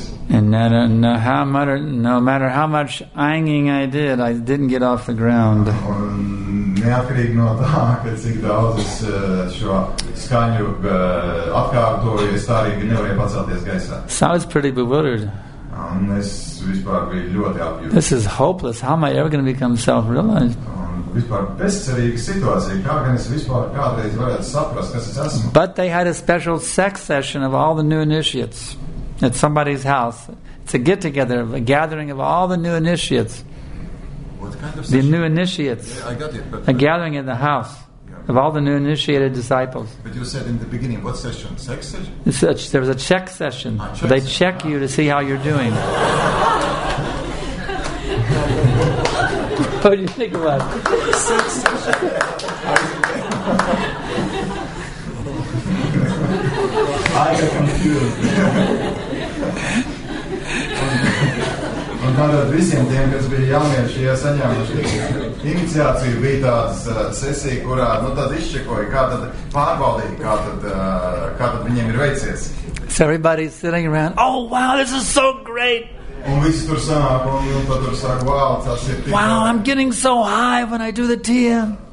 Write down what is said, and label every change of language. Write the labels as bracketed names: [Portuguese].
[English] And no matter how much anging I did, I didn't get off the ground. [Latvian] Neatkarīgi no tā, ka cik daudz es šo skaņu atkārtoju, es tā arī nevarēju pacelties gaisā. [English] So I was pretty bewildered. [Latvian] Un es vispār biju ļoti apjūts. [English] This is hopeless. How am I ever going to become self-realized? [Latvian] Un vispār bezcerīga situācija. Kā gan es vispār kādreiz varētu saprast, kas es esmu? [English] But they had a special sex session of all the new initiates at somebody's house. It's a get-together, a gathering of all the new initiates. The new initiates. Yeah, I got it. But a gathering in the house of all the new initiated disciples. But you said in the beginning, what session? Sex session? There was a check session. They check you to see how you're doing. What do you think about it? Sex session. I got confused. [Latvian] Un tātad visiem tiem, kas bija jaunieši, ja saņēmuši iniciāciju, bija tāds sesija, kurā nu, tad izšķekoja, kā tad pārbaudīja, kā tad viņiem ir veicies. [English] So everybody's sitting around, oh, wow, this is so great. [Latvian] Un visi tur sanāk, un tad tur saka, wow, tas ir tik. [English] Wow, I'm getting so high when I do the TM.